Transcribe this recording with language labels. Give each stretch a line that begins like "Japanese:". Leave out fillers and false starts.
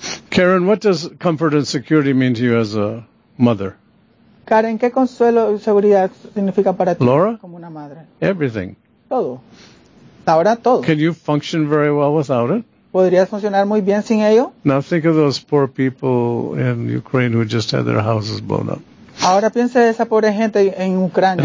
English: Karen, what does comfort and security mean to you as a mother?
Spanish: Karen, ¿qué consuelo y seguridad significa para ti, Laura, como una madre?
English: Everything.
Spanish: Todo. Ahora todo.
English: Can you function very well without it?
Spanish: ¿Podrías funcionar muy bien sin ello?
English: Now think of those poor people in Ukraine who just had their houses blown up.
Spanish: Ahora piensa en esa pobre gente en Ucrania.